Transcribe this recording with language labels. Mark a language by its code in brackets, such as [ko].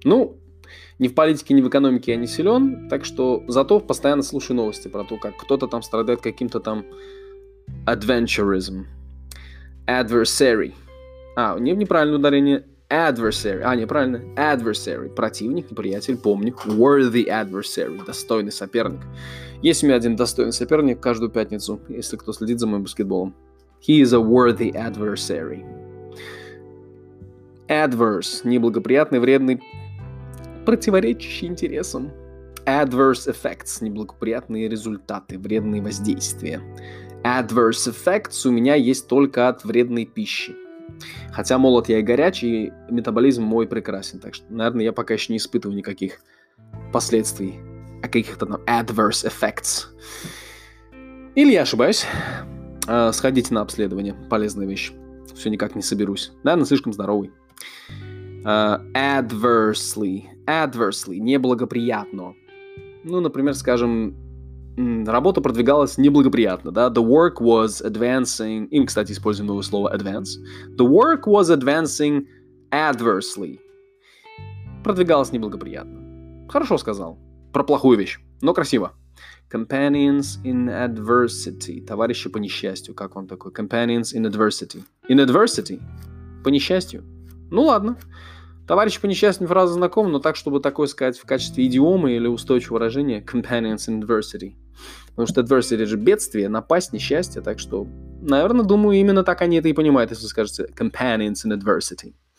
[ru] Ну, ни в политике, ни в экономике я не силен. Так что зато постоянно слушаю новости про то, как кто-то там страдает каким-то там adventurism. [en] adversary. [ru] А, не, неправильное ударение. [en] Adversary. [ru] А, неправильно. [en] Adversary. [ru] Противник, неприятель, помню. [en] Worthy adversary. [ru] Достойный соперник. Есть у меня один достойный соперник каждую пятницу, если кто следит за моим баскетболом. [en] He is a worthy adversary. Adverse. [ru] Неблагоприятный, вредный, противоречащий интересам. [en] Adverse effects. [ru] Неблагоприятные результаты, вредные воздействия. [en] Adverse effects [ru] у меня есть только от вредной пищи. Хотя молод я и горячий, метаболизм мой прекрасен. Так что, наверное, я пока еще не испытываю никаких последствий, а каких-то там [en] adverse effects. [ru] Или я ошибаюсь. Сходите на обследование. Полезная вещь. Все никак не соберусь. Наверное, слишком здоровый. [en] Adversely. Adversely. [ru] Неблагоприятно. Ну, например, скажем, работа продвигалась неблагоприятно, да? [en] The work was advancing... [ru] И мы, кстати, используем новое слово advance. [en] The work was advancing adversely. [ru] Продвигалась неблагоприятно. Хорошо сказал. Про плохую вещь, но красиво. [en] Companions in adversity. [ru] Товарищи по несчастью. Как вам такое? [en] Companions in adversity. In adversity? [ru] По несчастью? Ну, ладно. Товарищи по несчастью, фраза знакома, но так, чтобы такое сказать в качестве идиомы или устойчивого выражения, [en] companions in adversity. [ru] Потому что adversity же бедствие, напасть, несчастье, так что, наверное, думаю, именно так они это и понимают, если скажете [en] companions in adversity.